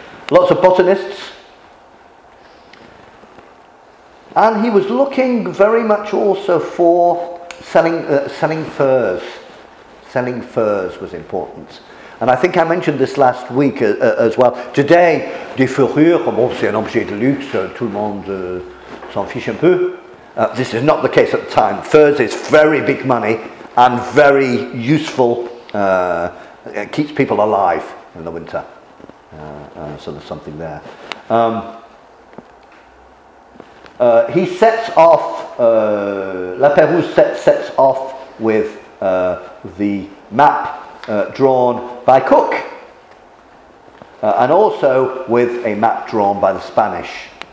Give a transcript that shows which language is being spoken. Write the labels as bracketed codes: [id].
[en] Lots of botanists. And he was looking very much also for selling furs was important. And I think I mentioned this last week as well. [fr] Today, des fourrures, bon, c'est un objet de luxe, tout le monde s'en fiche un peu. [en] This is not the case at the time. Furs is very big money and very useful. It keeps people alive in the winter. So there's something there. He sets off, La Perouse sets off with the map drawn by Cook, and also with a map drawn by the Spanish.